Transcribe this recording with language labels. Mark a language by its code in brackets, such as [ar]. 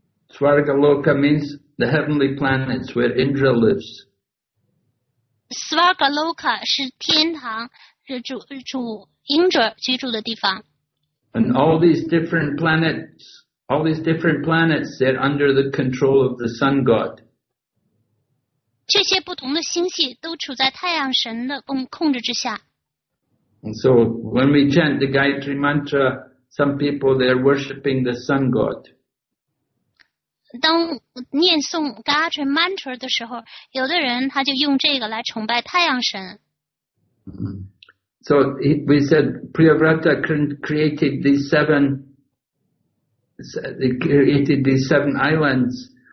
[en] Swargaloka means the heavenly planets where Indra lives. [zh] Swargaloka 是天堂，是 主 Indra 居住的地方。 [en] And all these different planets, all these different planets, they're under the control of the sun god. [zh] 这些不同的星系都处在太阳神的控制之下。 [en] And so when we chant the Gayatri Mantra, some people, they're worshipping the sun god. [zh] 当念诵 Gayatri Mantra 的时候，有的人他就用这个来崇拜太阳神。 [en] So we said Priyavrata created these seven islands.